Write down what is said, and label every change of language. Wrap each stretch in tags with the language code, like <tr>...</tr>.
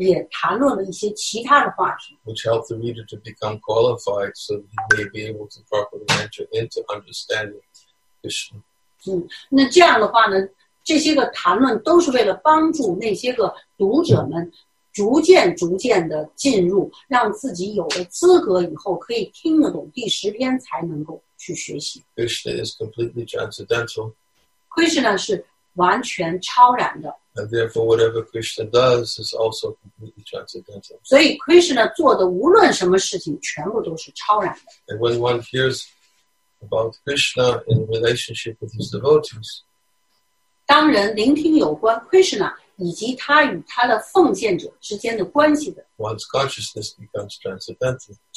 <zh>那么呢，当然，圣典摩迦瓦坛也谈论了一些其他的话题， which</zh> <en>helped the reader to become qualified, so he may be able to properly enter into understanding Krishna.</en> <zh>那这样的话呢，这些个谈论都是为了帮助那些个读者们逐渐逐渐的进入，让自己有了资格以后可以听得懂第十篇，才能够去学习。Krishna</zh> <en>is completely transcendental.</en> <zh>Krishna 是完全超然的。</zh> <en>And therefore, whatever Krishna does is also completely transcendental.</en> <zh>所以 Krishna 做的无论什么事情，全部都是超然的。 And</zh> <en>when one hears about Krishna in relationship with his devotees,</en> <zh>当人聆听有关 Krishna 以及他与他的奉献者之间的关系的， one's</zh> <en>consciousness becomes transcendental.</en>